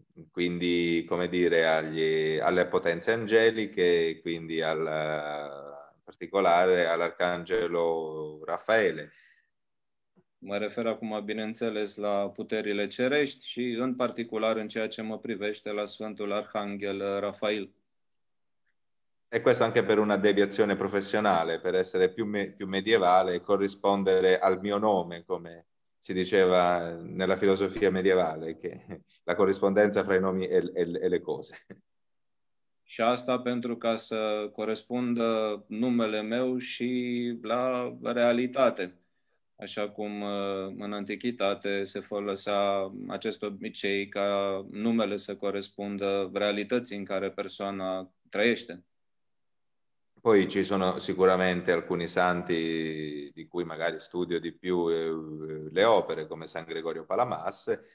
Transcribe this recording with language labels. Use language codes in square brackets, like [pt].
[it] Quindi, come dire, alle potenze angeliche, quindi in particolare all'arcangelo Raffaele. [ro] Mă refer acum, bineînțeles, la puterile cerești și, în particular, în ceea ce mă privește, la Sfântul Arhanghel Rafael. [it] E questo anche per una deviazione professionale, per essere più medievale e corrispondere al mio nome, come si diceva nella filosofia medievale, che la corrispondenza fra i nomi e le cose. [ro] Și asta pentru ca să corespundă numele meu și la realitate. așa cum în antichitate se folosea acest obicei ca numele să corespundă realității în care persoana trăiește. [it] Poi ci sono sicuramente alcuni santi di cui magari studio di più le opere, come San Gregorio Palamas.